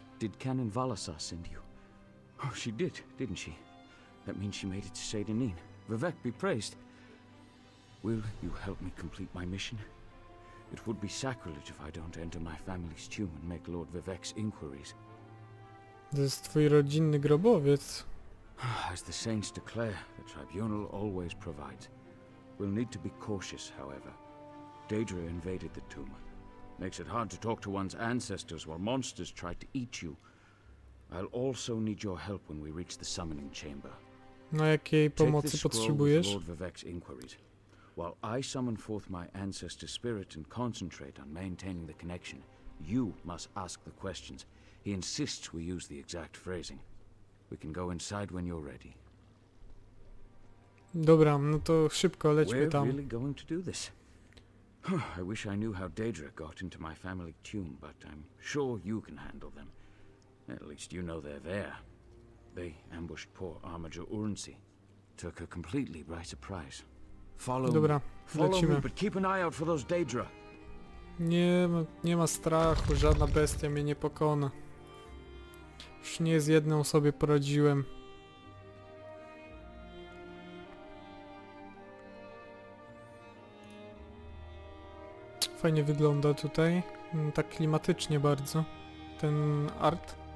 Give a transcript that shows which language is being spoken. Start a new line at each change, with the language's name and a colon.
English: Did Canon Valasa send you? Oh, she did, didn't she? That means she made it to Sadenine. Vivek be praised. Will you help me complete my mission? It would be sacrilege if I don't enter my family's tomb and make Lord Vivek's inquiries.
Polish: To jest twój rodzinny grobowiec.
English: As the saints declare, the tribunal always provides. We'll need to be cautious, however. Daedra invaded the tomb. Makes it hard to talk to one's ancestors while monsters try to eat you. I'll also need your help when we reach the summoning chamber.
Polish: No, jakiej pomocy potrzebujesz?
English: Lord Vivek's inquiries. While I summon forth my ancestor spirit and concentrate on maintaining the connection, you must ask the questions. He insists we use the exact phrasing. We can go inside when you're ready.
Polish: Dobra, no to szybko lećmy tam.
English: We're really going to do this. I wish I knew how Daedra got into my family tomb, but I'm sure you can handle them. At least you know they're there. They ambushed poor Armiger Urnsi. Took her completely by surprise. Follow me.
Polish: Dobra, lecimy.
English: Follow me, but keep an eye out for those Daedra.
Polish: Nie ma strachu, żadna bestia mnie nie pokona. Już nie z jedną sobie poradziłem. Fajnie wygląda tutaj, tak klimatycznie bardzo, ten art.